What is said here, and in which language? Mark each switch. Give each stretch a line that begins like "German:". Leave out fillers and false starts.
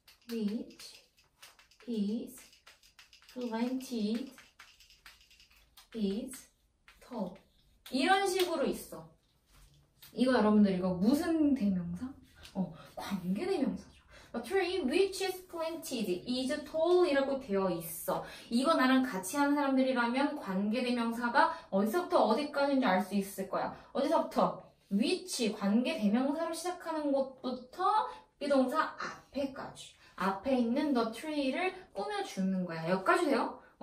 English: Which is planted is tall.
Korean: 이런 식으로 있어. 이거 여러분들 이거 무슨 대명사? 관계 대명사죠.
English: A tree which is planted is tall
Korean: 이라고 되어 있어. 이거 나랑 같이 하는 사람들이라면 관계 대명사가 어디서부터 어디까지인지 알수 있을 거야. 어디서부터? Which 관계 대명사로 시작하는 것부터 비동사 앞에까지. 앞에 있는 the tree를 꾸며주는 거야. 여기까지 돼요?